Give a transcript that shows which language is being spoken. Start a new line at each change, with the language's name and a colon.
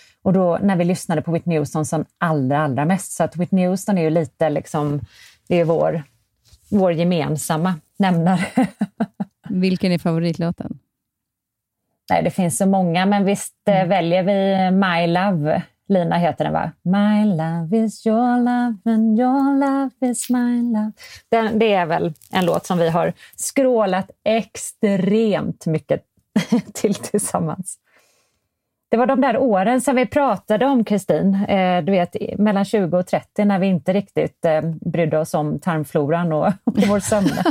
Swedish: Och då när vi lyssnade på Whitney Houston som allra mest. Så att Whitney Houston är ju lite liksom, det är vår gemensamma nämnare. Vilken är favoritlåten? Nej, det finns så många, men visst väljer vi My Love. Lina heter den va?
English: My love is your love and your love is my love.
Swedish: Det är väl en låt som vi har skrålat extremt mycket tillsammans. Det var de där åren som vi pratade om, Kristin. Du vet, mellan 20 och 30 när vi inte riktigt brydde oss om tarmfloran och vår sömn.